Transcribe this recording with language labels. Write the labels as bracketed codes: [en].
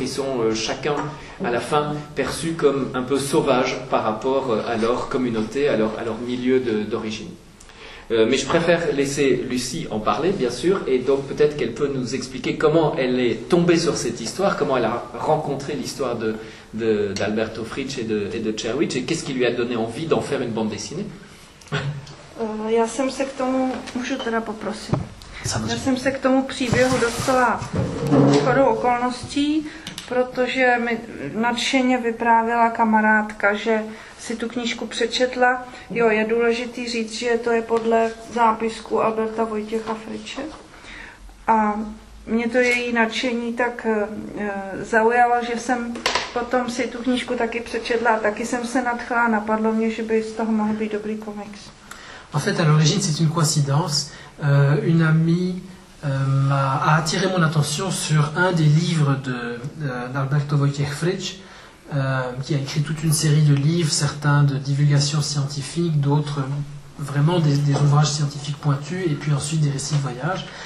[fr] Ils sont chacun, à la fin, perçus comme un peu sauvages par rapport à leur communauté, à leur milieu d'origine. Mais je préfère laisser Lucie en parler, bien sûr, et donc peut-être qu'elle peut nous expliquer comment elle est tombée sur cette histoire, comment elle a rencontré l'histoire d'Alberto Fritsch et de Cherwitch, et qu'est-ce qui lui a donné envie d'en faire une bande dessinée. [cs] Já jsem se k tomu, můžu teda poprosit. Já jsem se k tomu příběhu dostala shodou okolností, protože mi nadšeně vyprávěla kamarádka, že si tu knížku přečetla. Jo, je důležitý říct, že to je podle zápisku Alberta Vojtěcha Fritsche. A mě to její nadšení tak zaujalo, že jsem potom si tu knížku taky přečetla a taky jsem se nadchla a napadlo mě, že by z toho mohl být dobrý komiks. [fr] En fait, à l'origine, c'est une coïncidence. Une amie a attiré mon attention sur un des livres d'Alberto Wojciech Fritsch, qui a écrit toute une série de livres, certains de divulgation scientifique, d'autres vraiment des ouvrages scientifiques pointus, et puis ensuite des récits de voyage.